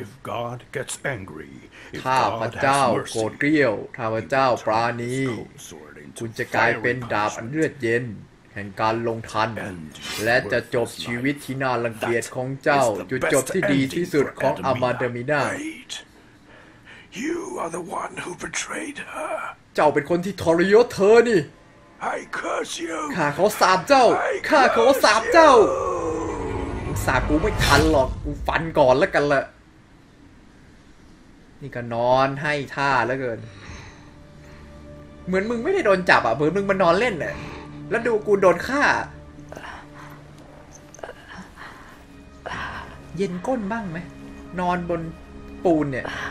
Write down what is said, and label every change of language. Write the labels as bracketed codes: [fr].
[en] If God gets angry [th] ถ้าพระเจ้าโกรธเกรี้ยวถ้าพระเจ้าปราณีคุณจะกลายเป็นดาบอันเลือดเย็นแห่งการลงทันและจะจบชีวิตที่น่ารังเกียจของเจ้าจุดจบที่ดีที่สุดของอามาเดมิน่า [en] You are the one who betrayed her. [th] เจ้าเป็นคนที่ทรยศเธอนี่ [en] I curse you. [th] ข้าขอสาปเจ้าข้าขอสาปเจ้าสาปกูไม่ทันหรอกกูฟันก่อนแล้วกันล่ะนี่ก็นอนให้ท่าแล้วเกินเหมือนมึงไม่ได้โดนจับอ่ะเหมือนมึงมานอนเล่นน่ะแล้วดูกูโดนฆ่าเย็นก้นบ้างไหมนอนบนปูนเนี่ย